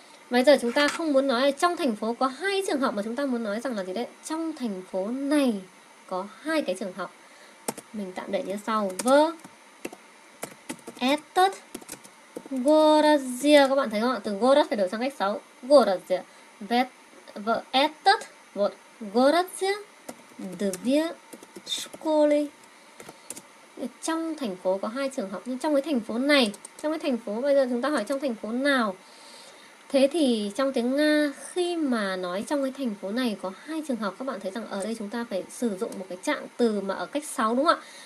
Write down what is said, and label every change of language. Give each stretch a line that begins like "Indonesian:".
Vietnamese: Bây giờ chúng ta không muốn nói trong thành phố có hai trường học, mà chúng ta muốn nói rằng là gì đấy, trong thành phố này có hai cái trường học. Mình tạm để như sau,
Russian: в этот городе.
Vietnamese: Các bạn thấy không ạ, từ город phải đổi sang cách 6, городе.
Russian: В этот вот городе две школы.
Vietnamese: Trong thành phố có hai trường học, nhưng trong cái thành phố này, trong cái thành phố, bây giờ chúng ta hỏi trong thành phố nào. Thế thì trong tiếng Nga, khi mà nói trong cái thành phố này có hai trường học, các bạn thấy rằng ở đây chúng ta phải sử dụng một cái trạng từ mà ở cách 6 đúng không ạ?